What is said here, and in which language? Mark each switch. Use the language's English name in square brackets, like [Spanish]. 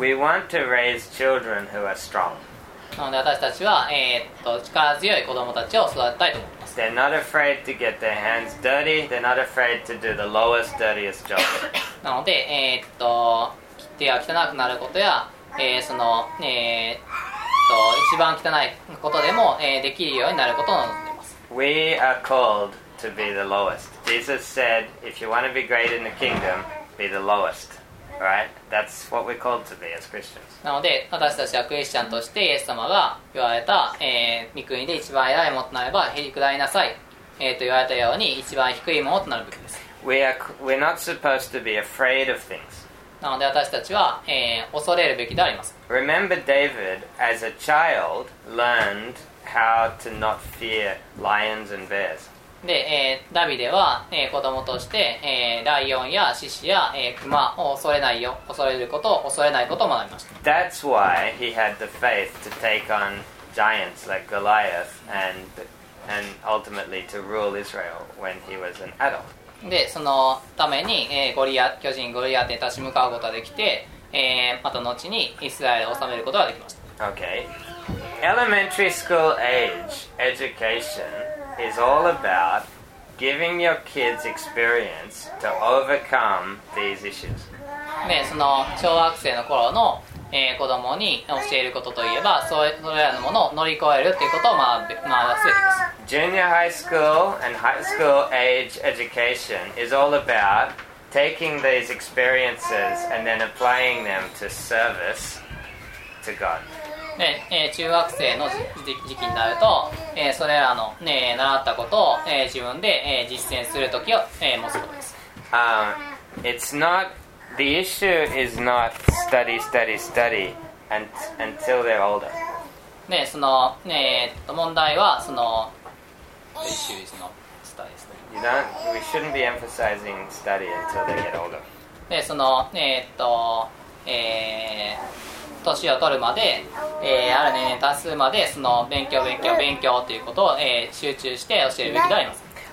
[English] We want to raise children who are strong. [Japanese] なので私たちは、力強い子供たちを育てたいと思います。 [English] They're not afraid to get their hands dirty. They're not afraid to do the lowest, dirtiest job. [Japanese] なので、手が汚くなることや、その、一番汚いことでも、できるようになることを望んでいます。 [English] We are called to be the lowest. Jesus said, if you want to be great in the kingdom,be the lowest, right? That's what we're called to be as Christians. [Japanese] なので、私たちはクリスチャンとして、イエス様が言われた、御国で一番偉いものとなれば、へりくだりなさい、と言われたように、一番低いものとなるべきです。 [English] We're not supposed to be afraid of things. [Japanese] なので、私たちは、恐れるべきであります。 [English] Remember David, as a child, learned how to not fear lions and bears. [Japanese] で、ダビデは、子供として、ライオンや獅子や、熊を恐れないよ、恐れることを恐れないことを学びました。 [English] That's why he had the faith to take on giants like Goliath and ultimately to rule Israel when he was an adult. [Japanese] で、そのために、巨人ゴリアテに立ち向かうことができて、また後にイスラエルを治めることができました。 [English] Okay. Elementary school age educationis all about giving your kids experience to overcome these issues. [Japanese] ね、その小学生の頃の、子供に教えることといえば、それらのものを乗り越えるということを学すべきです。 [English] Junior high school and high school age education is all about taking these experiences and then applying them to service to God. [Japanese] 中学生の時期になると、それらの、ね、習ったことを、自分で、実践するときを、持つことです。 [English] It's not the issue is not study, study, study until they're older. [Japanese] ね、その、ね、問題はその [English] the issue is not study, study. You don't. We shouldn't be emphasizing study until they get older. [Japanese] ね、その年を取るまで、ある年齢達するまでその勉強勉強勉強ということを、集中して教えるべきであります。